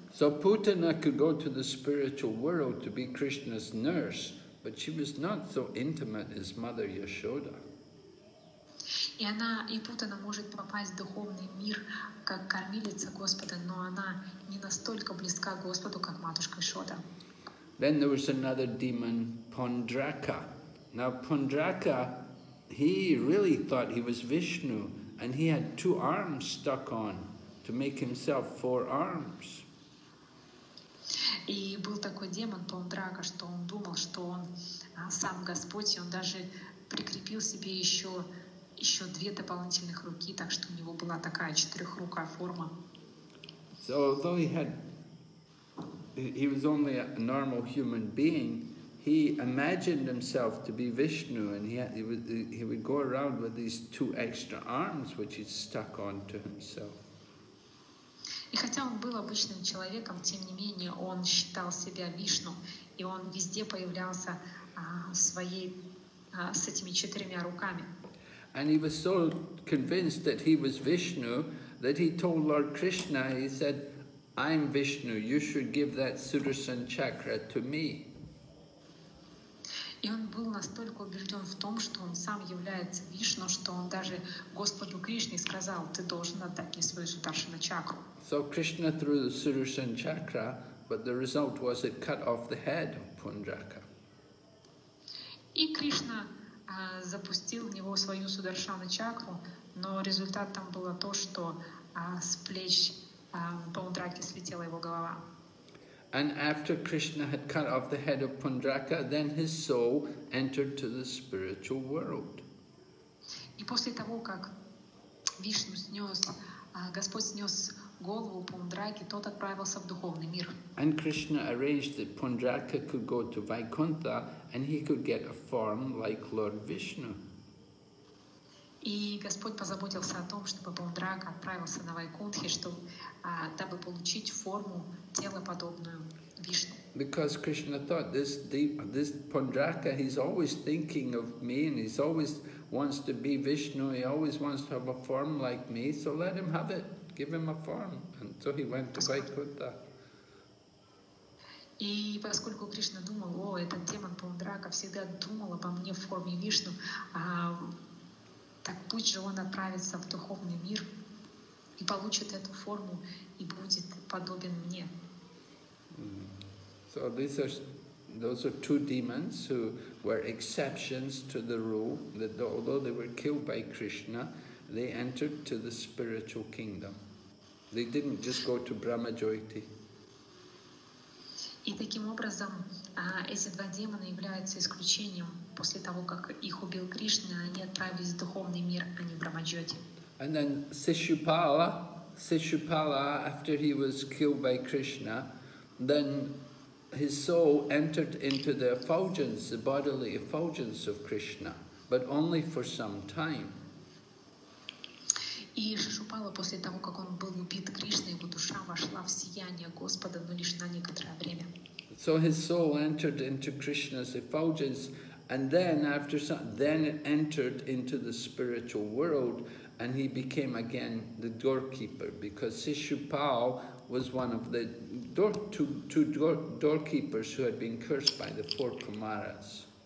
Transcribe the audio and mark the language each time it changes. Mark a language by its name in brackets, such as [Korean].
[English] So Putana could go to the spiritual world to be Krishna's nurse. But she was not so intimate as Mother Yashoda. [Russian] И она, и Путана может попасть в духовный мир как кормилица Господа, но она не настолько близка к Господу, как матушка Яшода. [English] Then there was another demon, Pundraka. Now Pundraka, he really thought he was Vishnu, and he had two arms stuck on to make himself four arms. [Russian] И был такой демон Пундрака, что он думал, что он сам Господь, и он даже прикрепил себе еще две дополнительных руки, так что у него была такая четырехрукая форма. [English] So although he was only a normal human being, he imagined himself to be Vishnu, and he would go around with these two extra arms, which he stuck on to himself. [Russian] И хотя он был обычным человеком, тем не менее он считал себя Вишну, и он везде появлялся с этими четырьмя руками. [English] And he was so convinced that he was Vishnu that he told Lord Krishna, he said, I'm Vishnu, you should give that Sudarshan Chakra to me. [Russian] И он был настолько убежден в том, что он сам является Вишну, что он даже Господу Кришне сказал, ты должен отдать мне свою Сударшана Чакру. [English] So Krishna threw the Sudarshan Chakra, but the result was it cut off the head of Pundraka. [Russian] И Кришна запустил в него свою Сударшана Чакру, но результат там было то, что с плеч Пундраки слетела его голова. [English] And after Krishna had cut off the head of Pundraka, then his soul entered to the spiritual world. [Russian] И после того, как Вишну снес, Господь снес голову Пундраки, тот отправился в духовный мир. [English] And Krishna arranged that Pundraka could go to Vaikuntha and he could get a form like Lord Vishnu. [Russian] И Господь позаботился о том, чтобы Пундрака отправился на Вайкунтхи, чтобы дабы получить форму тела подобную Вишну. [English] Because Krishna thought this Pundraka, he's always thinking of me and he's always wants to be Vishnu, he always wants to have a form like me, so let him have it. Give him a form. And so he went to Vaikuntha. [Russian] И поскольку Кришна думал, о, этот демон Пундрака всегда думал обо мне в форме Вишну, так пусть же он отправится в духовный мир и получит эту форму и будет подобен мне. [English] So these are two demons who were exceptions to the rule that although they were killed by Krishna, they entered to the spiritual kingdom. They didn't just go to Brahma Jyoti. [Russian] И таким образом, эти два демона являются исключением. После того, как их убил Кришна, они отправились в духовный мир, а не в Брамаджоти. [English] And then Сишупала, after he was killed by Krishna, then his soul entered into the effulgence, the bodily effulgence of Krishna, but only for some time. [Russian] И Шишупала, после того, как он был убит Кришной, его душа вошла в сияние Господа, но лишь на некоторое время. [English] So his soul entered into Krishna's effulgence, and then after some, then it entered into the spiritual world, and he became again the doorkeeper, because Sishupal was one of the two doorkeepers who had been cursed by the four Kumaras.